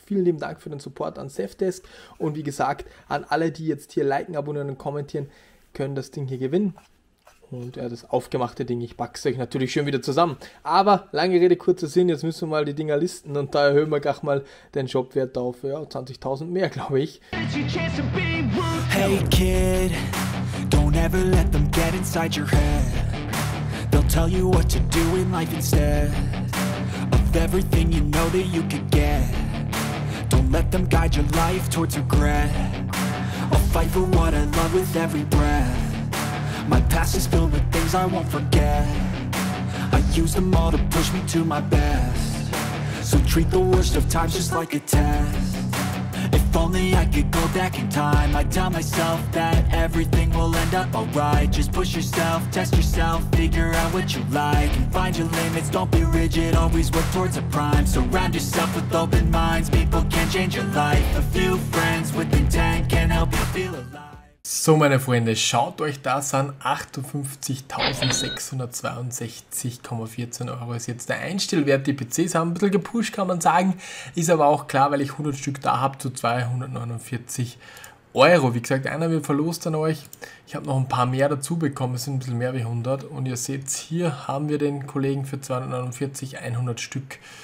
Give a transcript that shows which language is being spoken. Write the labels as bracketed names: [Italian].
[German] Vielen lieben Dank für den Support an Safdesk. Und wie gesagt, an alle, die jetzt hier liken, abonnieren und kommentieren, können das Ding hier gewinnen. Und ja, das aufgemachte Ding, ich packe es euch natürlich schön wieder zusammen. Aber lange Rede, kurzer Sinn, jetzt müssen wir mal die Dinger listen und da erhöhen wir gleich mal den Shopwert auf 20.000 mehr, glaube ich. [English] Hey Kid, don't ever let them get inside your head. They'll tell you what to do in life instead of everything you know that you could get. Don't let them guide your life towards regret. I'll fight for what I love with every breath. My past is filled with things I won't forget. I use them all to push me to my best. So treat the worst of times just like a test. If only I could go back in time, I'd tell myself that everything will end up alright. Just push yourself, test yourself, figure out what you like and find your limits, don't be rigid, always work towards a prime. Surround yourself with open minds, people can change your life. A few friends with intent can help you feel alive. [German] So meine Freunde, schaut euch das an, 58.662,14 Euro ist jetzt der Einstellwert, die PCs haben ein bisschen gepusht, kann man sagen, ist aber auch klar, weil ich 100 Stück da habe, zu 249 Euro, wie gesagt, einer wird verlost an euch, ich habe noch ein paar mehr dazu bekommen, es sind ein bisschen mehr wie 100 und ihr seht, hier haben wir den Kollegen für 249, 100 Stück